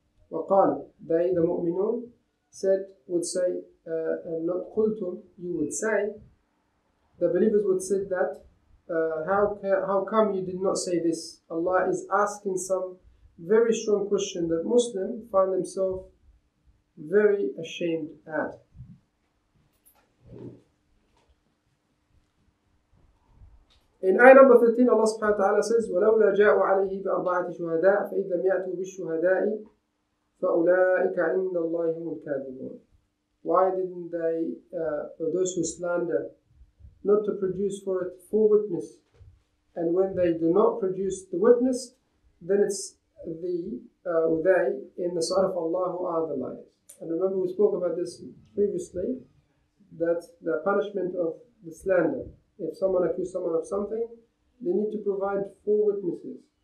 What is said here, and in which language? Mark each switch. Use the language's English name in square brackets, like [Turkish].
[English] وقال, they, the mu'minun, said, would say, and not قلتم, you would say, the believers would say that, how come you did not say this? Allah is asking some very strong question that Muslims find themselves very ashamed at. In ayah number 13, Allah subhanahu wa ta'ala says, [Arabic] وَلَوْلَا جَاءُوا عَلَيْهِ بِأَرْبَعَةِ شُهَدَاءِ فَإِذْ لَمْ يَأْتُوا بِالشُّهَدَاءِ فَأُولَٰئِكَ عِنْدَ اللَّهِ هُمُ الْكَاذِبُونَ. [English] Why didn't they, for those who slander, not to produce for it four witness? And when they do not produce the witness, then it's the they in the sight of Allah who are the liars. And remember, we spoke about this previously, that the punishment of the slander, if someone accused someone of something, they need to provide four witnesses.